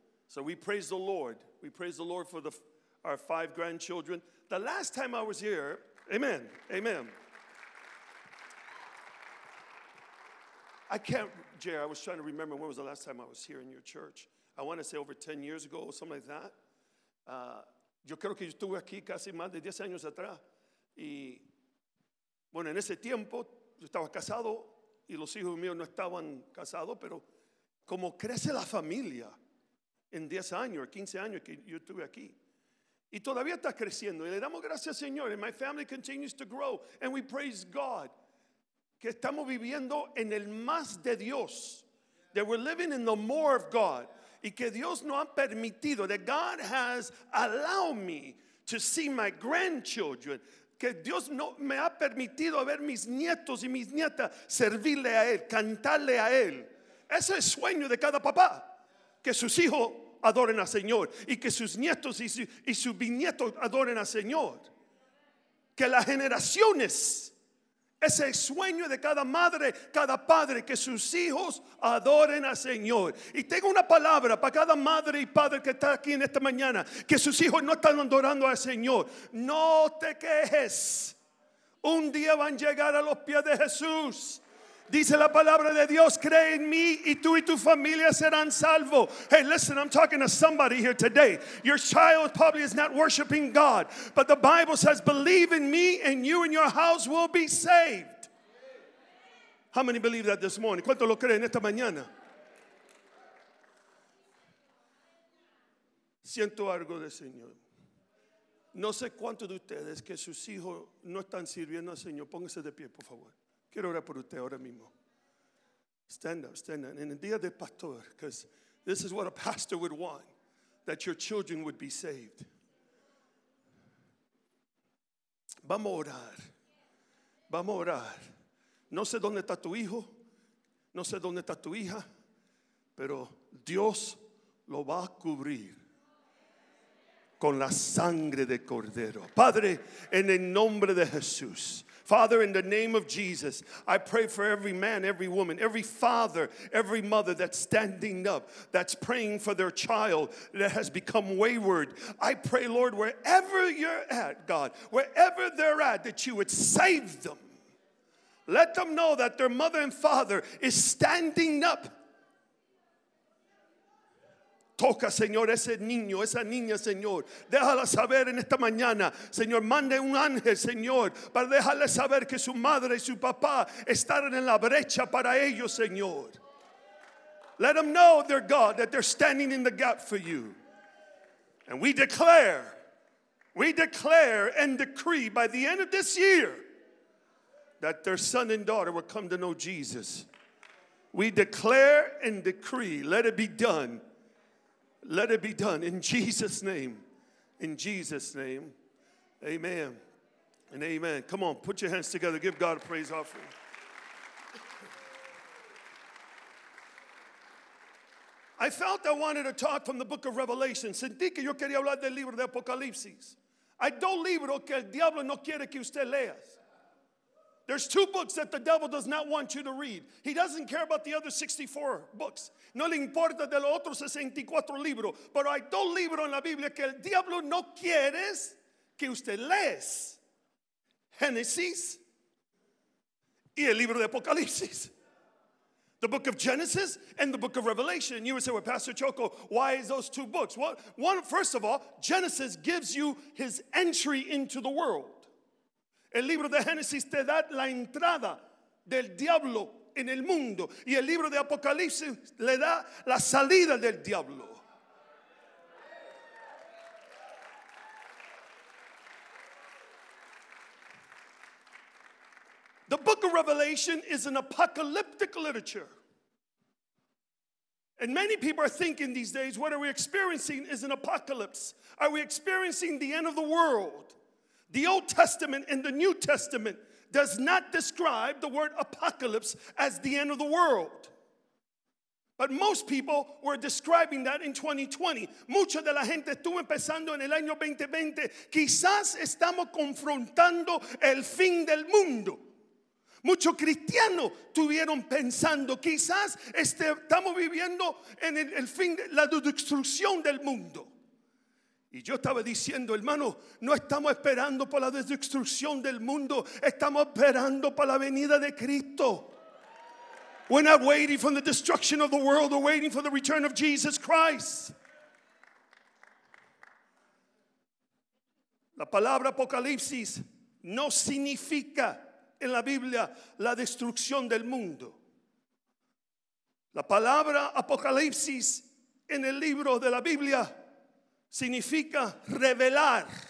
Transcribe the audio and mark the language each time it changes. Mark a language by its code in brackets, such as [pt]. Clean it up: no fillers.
[en] So we praise the Lord. We praise the Lord for our five grandchildren. The last time I was here, amen, amen. I can't, Jerry, I was trying to remember when was the last time I was here in your church. I want to say over 10 years ago or something like that. [es] Yo creo que yo estuve aquí casi más de 10 años atrás. Y bueno, en ese tiempo yo estaba casado y los hijos míos no estaban casados, pero como crece la familia en 10 años, 15 años que yo estuve aquí. Y todavía está creciendo. Y le damos gracias, Señor. [en] And my family continues to grow. And we praise God. [es] Que estamos viviendo en el más de Dios. [en] That we're living in the more of God. [es] Y que Dios no ha permitido. [en] That God has allowed me to see my grandchildren. [es] Que Dios no me ha permitido ver mis nietos y mis nietas servirle a Él, cantarle a Él. Ese es el sueño de cada papá. Que sus hijos adoren al Señor. Y que sus nietos y sus bisnietos adoren al Señor. Que las generaciones. Ese es el sueño de cada madre, cada padre. Que sus hijos adoren al Señor. Y tengo una palabra para cada madre y padre que está aquí en esta mañana. Que sus hijos no están adorando al Señor. No te quejes. Un día van a llegar a los pies de Jesús. Dice la palabra de Dios, cree en mí y tú y tu familia serán salvos. [en] Hey, listen, I'm talking to somebody here today. Your child probably is not worshiping God. But the Bible says, believe in me and you and your house will be saved. How many believe that this morning? [es] ¿Cuánto lo creen esta mañana? Siento algo del Señor. No sé cuántos de ustedes que sus hijos no están sirviendo al Señor. Pónganse de pie, por favor. Quiero orar por usted ahora mismo. [en] Stand up, stand up. [es] En el día del pastor, [en] because this is what a pastor would want, that your children would be saved. [es] Vamos a orar. Vamos a orar. No sé dónde está tu hijo, no sé dónde está tu hija, pero Dios lo va a cubrir con la sangre de cordero. Padre, en el nombre de Jesús. [en] Father, in the name of Jesus, I pray for every man, every woman, every father, every mother that's standing up, that's praying for their child that has become wayward. I pray, Lord, wherever you're at, God, wherever they're at, that you would save them. Let them know that their mother and father is standing up. [es] Toca, Señor, ese niño, esa niña, Señor. Déjala saber en esta mañana. Señor, mande un ángel, Señor, para dejarle saber que su madre y su papá están en la brecha para ellos, Señor. [en] Let them know, their God, that they're standing in the gap for you. And we declare and decree by the end of this year that their son and daughter would come to know Jesus. We declare and decree, let it be done. Let it be done in Jesus' name. In Jesus' name, amen and amen. Come on, put your hands together. Give God a praise offering. I felt I wanted to talk from the book of Revelation. [es] Sentí que yo quería hablar del libro de Apocalipsis. Hay dos libros que el diablo no quiere que usted lea. [en] There's two books that the devil does not want you to read. He doesn't care about the other 64 books. [es] No le importa de los otros 64 libros. Pero hay dos libros en la Biblia que el diablo no quiere que usted lea. Génesis y el libro de Apocalipsis. [en] The book of Genesis and the book of Revelation. And you would say, well, Pastor Choco, why is those two books? Well, one, first of all, Genesis gives you his entry into the world. El libro de Génesis te da la entrada del diablo en el mundo. Y el libro de Apocalipsis le da la salida del diablo. The book of Revelation is an apocalyptic literature. And many people are thinking these days, what are we experiencing is an apocalypse. Are we experiencing the end of the world? The Old Testament and the New Testament does not describe the word apocalypse as the end of the world. But most people were describing that in 2020. [es] Mucho de la gente estuvo empezando en el año 2020. Quizás estamos confrontando el fin del mundo. Muchos cristianos tuvieron pensando, quizás estamos viviendo en el fin de la destrucción del mundo. Y yo estaba diciendo, hermano, no estamos esperando por la destrucción del mundo, estamos esperando por la venida de Cristo. [en] We're not waiting for the destruction of the world, we're waiting for the return of Jesus Christ. [es] La palabra apocalipsis no significa en la Biblia la destrucción del mundo. La palabra apocalipsis en el libro de la Biblia significa revelar.